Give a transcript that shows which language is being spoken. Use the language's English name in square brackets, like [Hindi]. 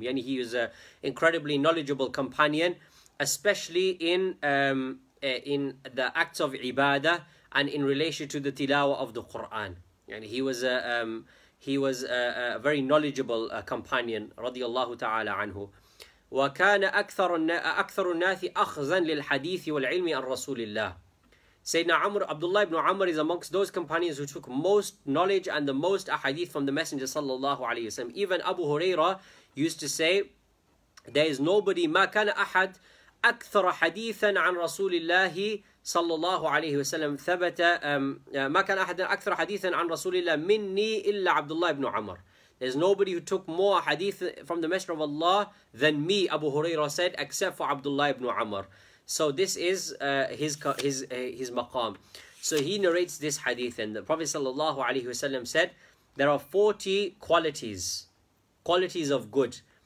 [English] Yani he was an incredibly knowledgeable companion, especially in in the acts of ibadah and in relation to the tilawa of the Quran. And he was a very knowledgeable companion, radiyallahu ta'ala anhu. [Arabic] وكان أكثر الناس أخذا للحديث والعلم عن رسول الله. [English] Sayyidina Amr, Abdullah ibn Amr is amongst those companions who took most knowledge and the most ahadith from the Messenger sallallahu alayhi wasallam. Even Abu Huraira used to say, there is nobody, [Arabic] ما كان أحد أكثر حديثا عن رسول الله صلى الله عليه وسلم ثبت ما كان أحد أكثر حديثا عن رسول الله مني إلا عبد الله بن عمر. [English] There's nobody who took more hadith from the Messenger of Allah than me, Abu Huraira said, except for Abdullah ibn Amr. So this is his maqam. So he narrates this hadith, and the Prophet sallallahu alaihi wasallam said, there are 40 qualities of good.